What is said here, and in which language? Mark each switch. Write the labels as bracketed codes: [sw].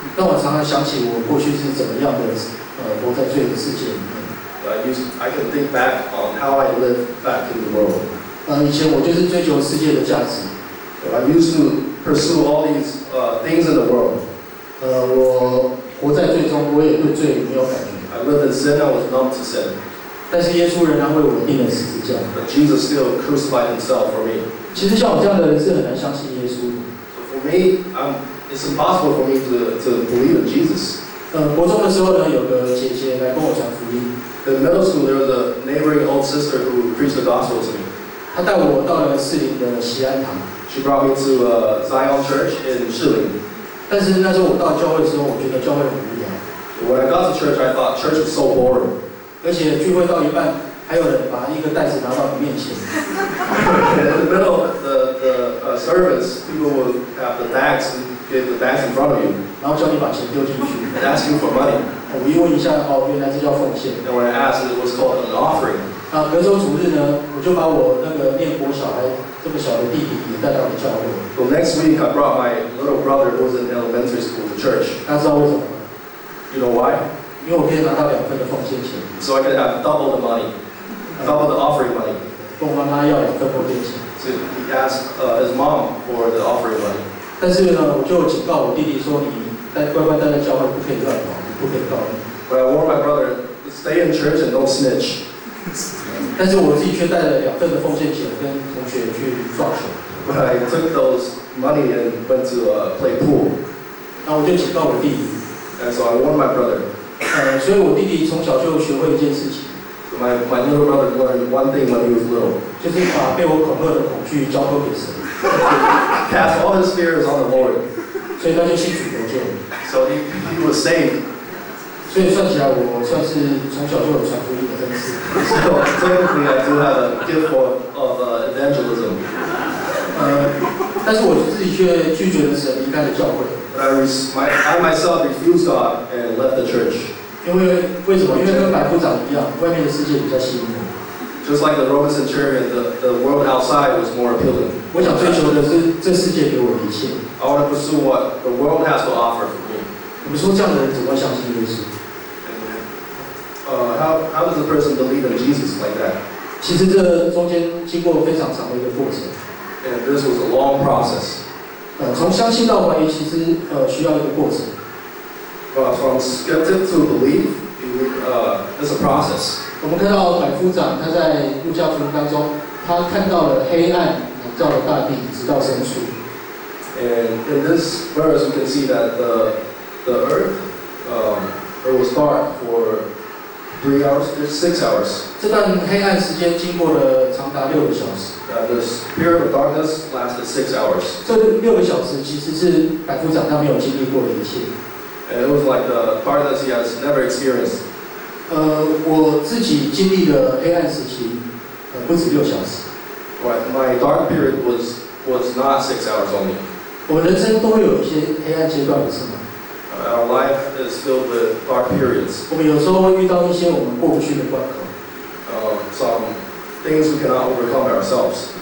[zh] 让我常常想起我过去是怎么样的，活在罪的世界里面。 [en] I can think back on how I lived back in the world. [zh] 以前我就是追求世界的价值。 [en] I used to pursue all these things in the world. [zh] 我活在罪中，我也对罪没有感觉。 [en] I lived in sin, I was numb to sin. [zh] 但是耶稣仍然为我钉了十字架。 [en] But Jesus still crucified himself for me. [zh] 其实像我这样的人是很难相信耶稣。So [en] for me, It's impossible for me to believe in Jesus. [zh] 国中的时候呢，有个姐姐来跟我讲福音。 [en] In middle school, there was a neighboring old sister who preached the gospel to me. [zh] 她带我到了士林的锡安堂。She [en] brought me to a Zion Church in 士林。 [zh] 但是那时候我到教会的时候，我觉得教会很无聊。 [en] When I got to church, I thought church was so boring. [zh] 而且聚会到一半，还有人把一个袋子拿到你面前。 [en] In the middle of the service, people will have the bags and get the bags in front of you. [zh] 然后叫你把钱丢进去。 [en] And ask you for money. [zh] 我一问一下，哦，原来这叫奉献。 [en] And when I asked, it was called an offering. [zh] 那隔周主日呢，我就把我那个念国小孩这么小的弟弟也带到了教会。 [en] So next week, I brought my little brother who was in elementary school to church. [zh] 他知道为什么吗？ [en] You know why? [zh] 因为我可以拿到两份的奉献钱 [en] ，so I could have double the money, double the offering money. [zh] 跟我妈妈要两份奉献钱 [en] ，so he asked his mom for the offering money. [zh] 但是呢，我就警告我弟弟说，你乖乖待在教会，不可以乱跑，不可以告密。 [en] But I warned my brother, stay in church and don't snitch. [zh] 但是我自己却带了两份的奉献钱跟同学去撞球。 [en] But I took those money and went to play pool. [zh] 那我就警告我弟弟 [en] ，and so I warned my brother. [zh] 所以我弟弟从小就学会一件事情。 [en] So、my little brother learned one thing when he was little. [zh] 就是把被我恐吓的恐惧交托给神。 [en] Cast all his fears on the Lord. [zh] 所以他就信主得救。 [en] So he was saved. [zh] 所以算起来，我算是从小就有传福音的恩赐。 [en] So technically, I do have a gift for of evangelism. [zh] 但是我自己却拒绝了神，离开了教会。 [en] I myself refused God and left the church. [zh] 因为为什么？因为跟百夫长一样，外面的世界比较吸引我。 [en] Just like the Roman centurion, the world outside was more appealing. [zh] 我想追求的是这世界给我的一切。 [en] I want to pursue what the world has to offer for me. [zh] 你们说这样的人怎么相信耶稣？ [en] How does a person believe in Jesus like that? [zh] 其实这中间经过非常长的一个过程。 [en] And this was a long process. [zh] 从相信到怀疑，其实需要一个过程。 [en] From skeptic to believe, it's a process. [zh] 我们看到百夫长，他在路加福音当中，他看到了黑暗笼罩了大地，直到深处。 [en] And in this verse, we can see that the earth, it was dark for 3 hours, just 6 hours. [zh] 这段黑暗时间经过了长达六个小时。 [en] This period of darkness lasted 6 hours. [zh] 这六个小时其实是百夫长他没有经历过的一切。 [en] And it was like the darkness he has never experienced. [zh] 我自己经历的黑暗时期，不止六小时。 [en] Right, my dark period was not 6 hours only. [zh] 我人生都有一些黑暗阶段，不是吗？ [en] Our life is filled with dark periods. [zh] 我们有时候会遇到一些我们过不去的关口。 [en] Some. Things we cannot overcome ourselves.